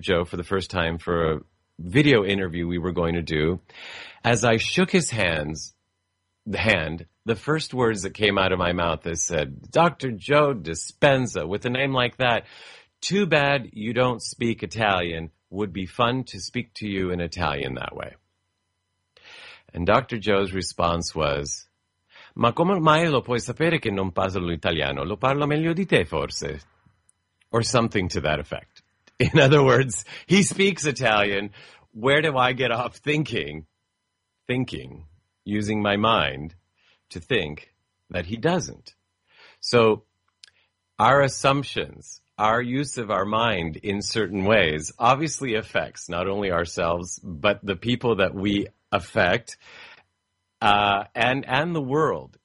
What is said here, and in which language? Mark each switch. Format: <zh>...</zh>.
<en>Joe for the first time for a video interview we were going to do, as I shook his hand, the first words that came out of my mouth is said, Dr. Joe Dispenza, with a name like that, too bad you don't speak Italian, would be fun to speak to you in Italian that way. And Dr.</en> <it>Joe's response was, ma come mai lo puoi sapere che non parlo l'italiano? Lo parlo meglio di te, forse.</it> <en>Or something to that effect. In other words, he speaks Italian. Where do I get off thinking, using my mind to think that he doesn't? So our assumptions, our use of our mind in certain ways, obviously affects not only ourselves, but the people that we affect and the world.</en>